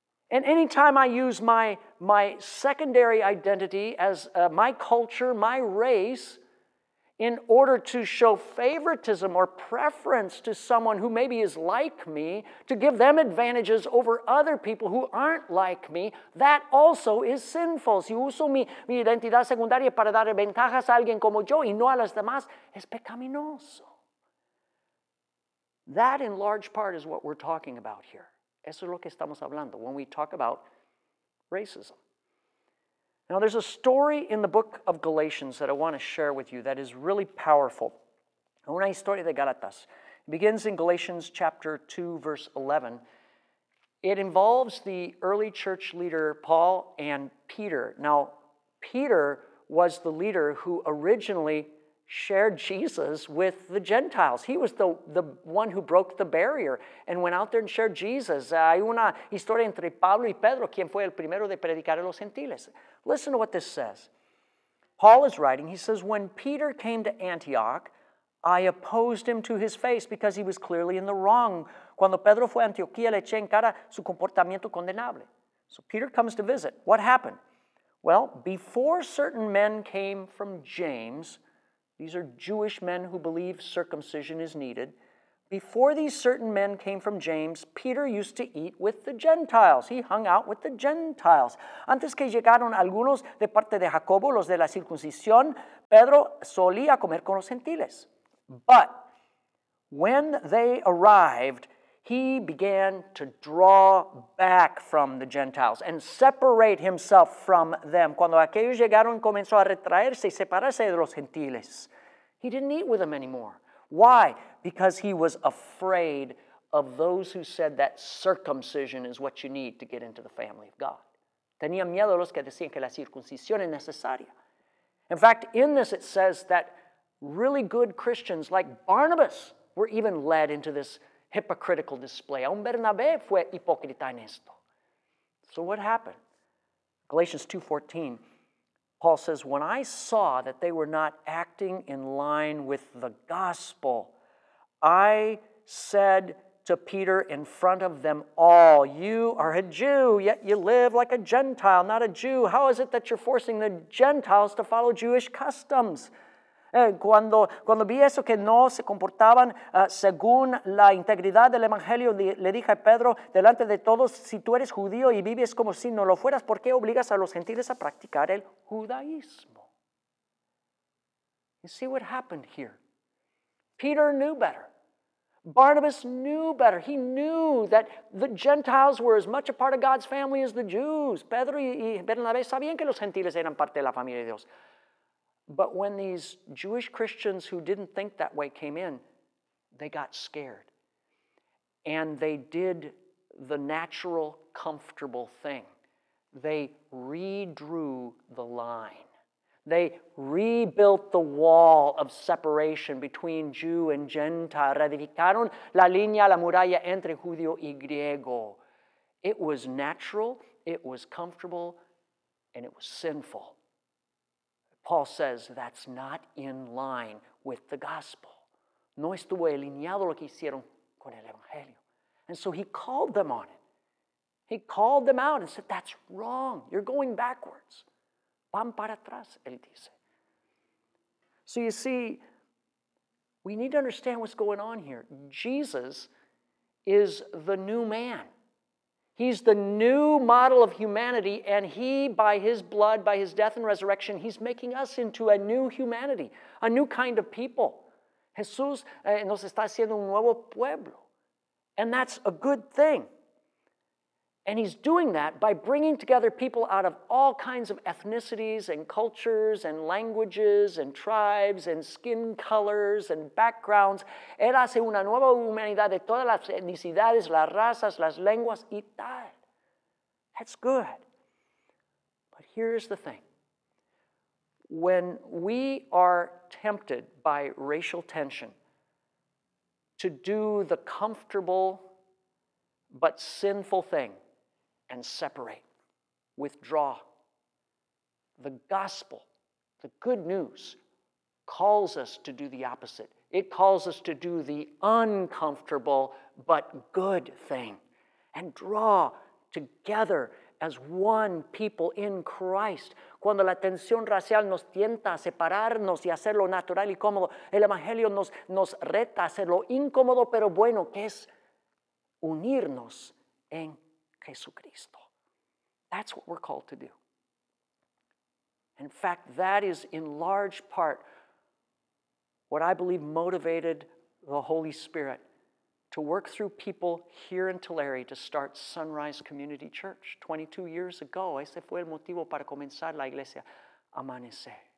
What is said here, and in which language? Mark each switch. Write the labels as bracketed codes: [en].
[en] And anytime I use my secondary identity as my culture, my race, in order to show favoritism or preference to someone who maybe is like me, to give them advantages over other people who aren't like me, that also is sinful. [es] Si uso mi identidad secundaria para dar ventajas a alguien como yo y no a las demás, es pecaminoso. [en] That, in large part, is what we're talking about here. [es] Eso es lo que estamos hablando [en] when we talk about racism. Now, there's a story in the book of Galatians that I want to share with you that is really powerful. [es] Una historia de Galatas. [en] It begins in Galatians chapter 2, verse 11. It involves the early church leader Paul and Peter. Now, Peter was the leader who originally shared Jesus with the Gentiles. He was the one who broke the barrier and went out there and shared Jesus. [es] Hay una historia entre Pablo y Pedro, quien fue el primero de predicar a los gentiles. [en] Listen to what this says. Paul is writing, he says, when Peter came to Antioch, I opposed him to his face because he was clearly in the wrong. [es] Cuando Pedro fue a Antioquía, le eché en cara su comportamiento condenable. [en] So Peter comes to visit. What happened? Well, before certain men came from James, these are Jewish men who believe circumcision is needed. Before these certain men came from James, Peter used to eat with the Gentiles. He hung out with the Gentiles. [es] Antes que llegaron algunos de parte de Jacobo, los de la circuncisión, Pedro solía comer con los gentiles. [en] But when they arrived, he began to draw back from the Gentiles and separate himself from them. [es] Cuando aquellos llegaron, comenzó a retraerse y separarse de los gentiles. [en] He didn't eat with them anymore. Why? Because he was afraid of those who said that circumcision is what you need to get into the family of God. [es] Tenía miedo a los que decían que la circuncisión es necesaria. [en] In fact, in this it says that really good Christians like Barnabas were even led into this hypocritical display. [es] Aún Bernabé fue hipócrita en esto. [en] So what happened? Galatians 2:14. Paul says, when I saw that they were not acting in line with the gospel, I said to Peter in front of them all, you are a Jew, yet you live like a Gentile, not a Jew. How is it that you're forcing the Gentiles to follow Jewish customs? [es] Cuando vi eso que no se comportaban según la integridad del Evangelio, le dije a Pedro, delante de todos, si tú eres judío y vives como si no lo fueras, ¿por qué obligas a los gentiles a practicar el judaísmo? [en] You see what happened here. Peter knew better. Barnabas knew better. He knew that the Gentiles were as much a part of God's family as the Jews. [es] Pedro y Bernabé sabían que los gentiles eran parte de la familia de Dios. [en] But when these Jewish Christians who didn't think that way came in, they got scared. And they did the natural, comfortable thing. They redrew the line. They rebuilt the wall of separation between Jew and Gentile. [es] Reedificaron la línea, la muralla entre judío y griego. [en] It was natural, it was comfortable, and it was sinful. Paul says that's not in line with the gospel. [es] No estuvo alineado lo que hicieron con el evangelio. [en] And so he called them on it. He called them out and said, that's wrong. You're going backwards. [es] Van para atrás, él dice. [en] So you see, we need to understand what's going on here. Jesus is the new man. He's the new model of humanity, and he, by his blood, by his death and resurrection, he's making us into a new humanity, a new kind of people. [es] Jesús nos está haciendo un nuevo pueblo. [en] And that's a good thing. And he's doing that by bringing together people out of all kinds of ethnicities and cultures and languages and tribes and skin colors and backgrounds. [es] Él hace una nueva humanidad de todas las etnicidades, las razas, las lenguas y tal. [en] That's good. But here's the thing. When we are tempted by racial tension to do the comfortable but sinful thing, and separate, withdraw. The gospel, the good news, calls us to do the opposite. It calls us to do the uncomfortable but good thing and draw together as one people in Christ. [es] Cuando la tensión racial nos tienta a separarnos y hacer lo natural y cómodo, el evangelio nos reta a hacer lo incómodo pero bueno, que es unirnos en Jesucristo. [en] That's what we're called to do. In fact, that is in large part what I believe motivated the Holy Spirit to work through people here in Tulare to start Sunrise Community Church 22 years ago. [es] Ese fue el motivo para comenzar la iglesia Amanecer.